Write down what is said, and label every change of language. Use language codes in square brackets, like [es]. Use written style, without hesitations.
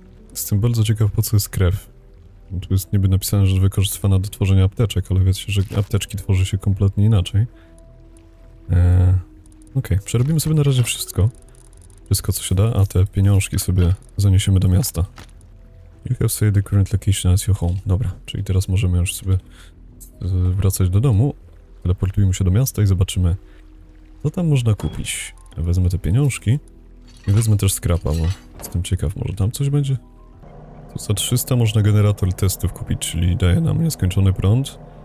[pl] Jestem bardzo ciekaw, po co jest krew. Tu jest niby napisane, że wykorzystywana do tworzenia apteczek, ale wiecie, że apteczki tworzy się kompletnie inaczej. Okej, przerobimy sobie na razie wszystko. Wszystko, co się da, a te pieniążki sobie zaniesiemy do miasta. [en] You have said the current location as your home. [pl] Dobra, czyli teraz możemy już sobie wracać do domu. Teleportujmy się do miasta i zobaczymy, co tam można kupić. Ja wezmę te pieniążki i wezmę też skrapa, bo jestem ciekaw, może tam coś będzie? Tu za 300 można generator testów kupić, czyli daje nam nieskończony prąd.